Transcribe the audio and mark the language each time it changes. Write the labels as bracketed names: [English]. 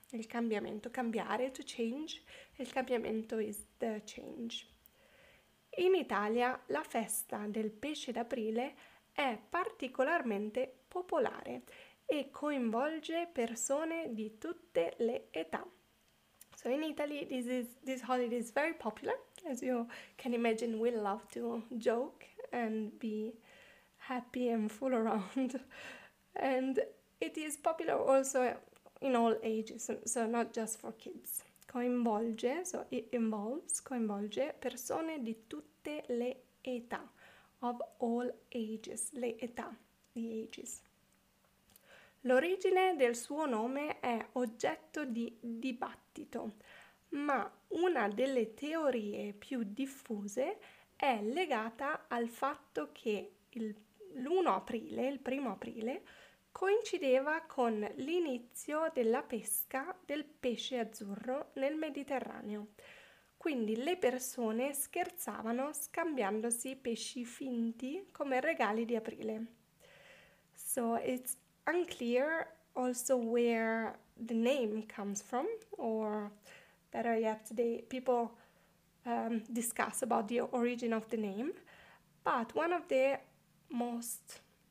[Italian] Il cambiamento, cambiare, [English] to change, [Italian] il cambiamento [English] is the change. [Italian] In Italia la festa del pesce d'aprile è particolarmente popolare e coinvolge persone di tutte le età. [English] So in Italy this holiday is very popular. As you can imagine, we love to joke and be happy and fool around. And it is popular also in all ages, so not just for kids. [Italian] Coinvolge, [English] so it involves, [Italian] coinvolge persone di tutte le età, [English] of all ages, [Italian] le età, [English] the ages. [Italian] L'origine del suo nome è oggetto di dibattito, ma una delle teorie più diffuse è legata al fatto che il primo aprile, coincideva con l'inizio della pesca del pesce azzurro nel Mediterraneo. Quindi le persone scherzavano scambiandosi pesci finti come regali di aprile. [English] So it's unclear also where the name comes from, or better yet, the people discuss about the origin of the name, but one of the most